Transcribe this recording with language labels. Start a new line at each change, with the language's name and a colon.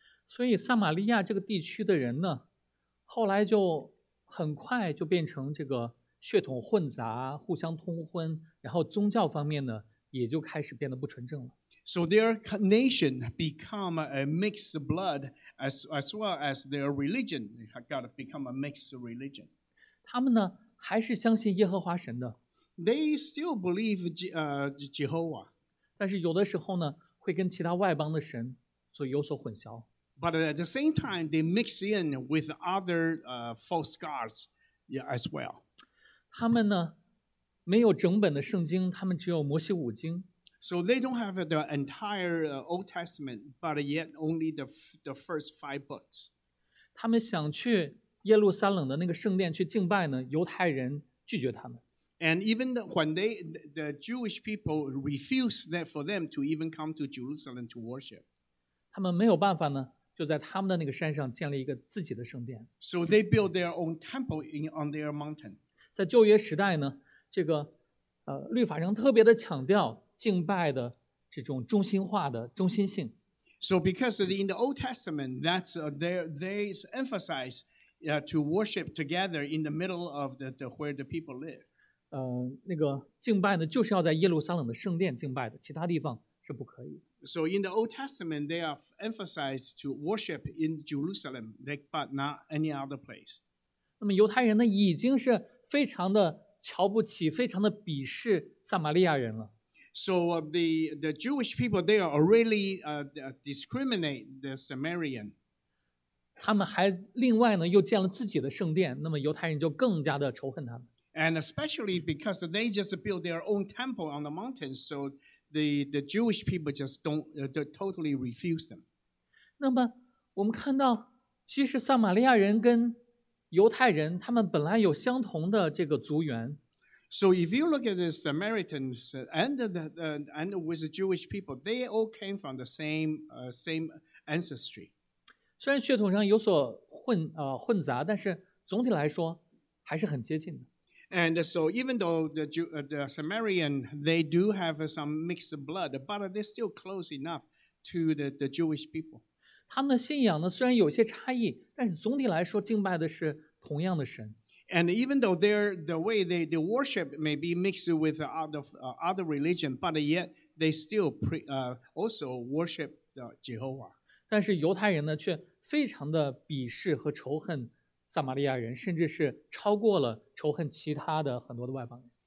Chinese: 所以撒玛利亚这个地区的人呢，后来就很快就变成这个血统混杂，互相通婚，然后宗教方面呢。也就开始变得不纯正了。
English: So their nation become a mixed blood, as well as their religion got become a mixed religion.
Chinese: 他们呢还是相信耶和华神的。
English: They still believe Jehovah.
Chinese: 但是有的时候呢，会跟其他外邦的神所有所混淆。
English: But at the same time, they mix in with other false gods as well.
Chinese: 他们呢？没有整本的圣经，他们只有摩西五经。
English: So they don't have the entire Old Testament, but yet only the first five books.
Chinese: 他们想去耶路撒冷的那个圣殿去敬拜呢，犹太人拒绝他们。
English: And even when the Jewish people refuse that for them to even come to Jerusalem to worship.
Chinese: 他们没有办法呢，就在他们的那个山上建立一个自己的圣殿。
English: So they build their own temple on their mountain.
Chinese: 在旧约时代呢，这个律法上特别的强调敬拜的这种中心化的中心性。
English: So because in the Old Testament, that's they emphasize to worship together in the middle of the where the people live.
Chinese: 那个敬拜呢，就是要在耶路撒冷的圣殿敬拜的，其他地方是不可以。
English: So in the Old Testament, they are emphasized to worship in Jerusalem, but not any other place.
Chinese: 那么犹太人呢，已经是非常的。瞧不起，非常的鄙视撒玛利亚人了。
English: So the Jewish people they are already discriminate the Samaritan.
Chinese: 他们还另外呢又建了自己的圣殿，那么犹太人就更加的仇恨他们。
English: And especially because they just built their own temple on the mountain, so the Jewish people just don't totally refuse them.
Chinese: 那么我们看到，其实撒玛利亚人跟犹太人他们本来有相同的这个族源。
English: So if you look at the Samaritans and with the Jewish people, they all came from the same ancestry.
Chinese: 虽然血统上有所混杂，但是总体来说还是很接近的。
English: And so even though the Samaritans, they do have some mixed blood, but they're still close enough to the Jewish people.
Chinese: 他们的信仰呢虽然有些差异，但是总体来说敬拜的是同样的神。
English: And even though the way they worship may be mixed with other religion, but yet they still also worship the Jehovah.
Chinese: 但是犹太人呢却非常的鄙视和仇恨撒玛利亚人，甚至是超过了仇恨其他的很多的外邦人。